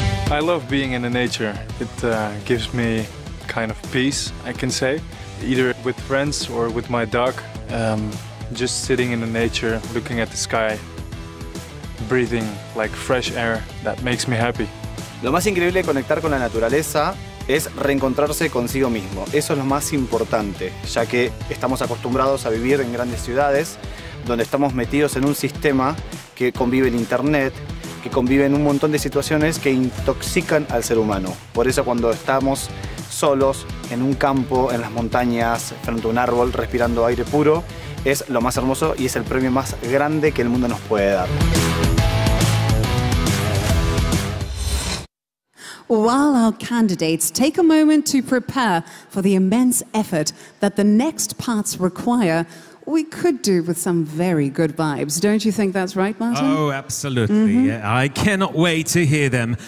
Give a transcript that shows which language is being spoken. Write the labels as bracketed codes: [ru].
[en] I love being in the nature. It gives me kind of peace, I can say, either with friends or with my dog. Just sitting in the nature, looking at the sky, breathing like fresh air, that makes me happy. [es] Lo más increíble de conectar con la naturaleza es reencontrarse consigo mismo. Eso es lo más importante, ya que estamos acostumbrados a vivir en grandes ciudades, donde estamos metidos en un sistema que convive el internet, que conviven un montón de situaciones que intoxican al ser humano. Por eso cuando estamos solos en un campo, en las montañas, frente a un árbol, respirando aire puro, es lo más hermoso y es el premio más grande que el mundo nos puede dar. [en] While our candidates take a moment to prepare for the immense effort that the next parts require, we could do with some very good vibes. Don't you think that's right, Martin? Oh, absolutely. Mm-hmm. I cannot wait to hear them.